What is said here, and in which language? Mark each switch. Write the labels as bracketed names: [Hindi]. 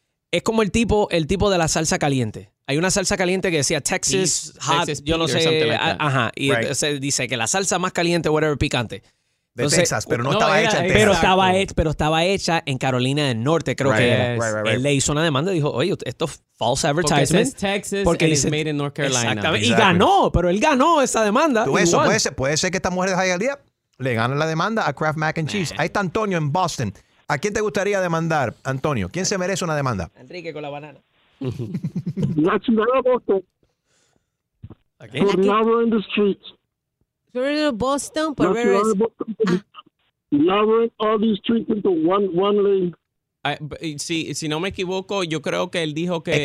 [Spanish] Es como el tipo de la salsa caliente. Hay una salsa caliente que decía Texas Hot, Texas, yo no sé, ajá, y right. Se dice que la salsa más caliente, whatever, picante. Entonces, de Texas, pero no estaba hecha en Texas. Pero estaba hecha en Carolina del Norte, creo que era. [English] Right. [Spanish] Él le hizo una demanda y dijo, oye, esto es [English] false advertisement. [Spanish] Porque es Texas porque [English] and it's made in North Carolina. [Spanish] Exactamente. Y ganó, pero él ganó esa demanda. ¿Tú eso puede ser que esta mujer de Hialeah al día le gane la demanda a Kraft Mac and Cheese? Man. Ahí está Antonio en Boston. ¿A quién te gustaría demandar, Antonio? ¿Quién se merece una demanda? Enrique con la banana. La ciudad de Boston. Okay. [English] Por Lover in the Streets. Lover in all the streets into one lane. [Spanish] Si no me equivoco, yo creo que él dijo que...